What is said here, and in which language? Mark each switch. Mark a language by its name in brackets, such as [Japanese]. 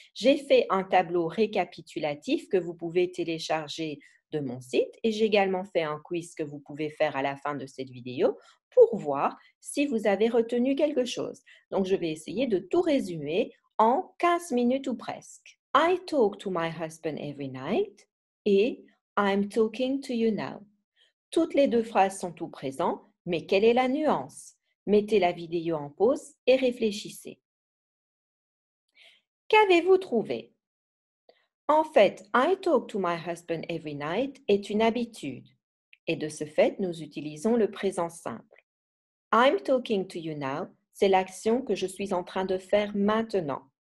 [French] J'ai fait un tableau récapitulatif que vous pouvez télécharger de mon site et j'ai également fait un quiz que vous pouvez faire à la fin de cette vidéo pour voir si vous avez retenu quelque chose. Donc, je vais essayer de tout résumer en 15 minutes ou presque. [English] I talk to my husband every night et I'm talking to you now. [French] Toutes les deux phrases sont au présent, mais quelle est la nuance? Mettez la vidéo en pause et réfléchissez. Qu'avez-vous trouvé? En fait, [English] I talk to my husband every night [French] est une habitude. Et de ce fait, nous utilisons le présent simple. [English] I'm talking to you now, [French] c'est l'action que je suis en train de faire maintenant.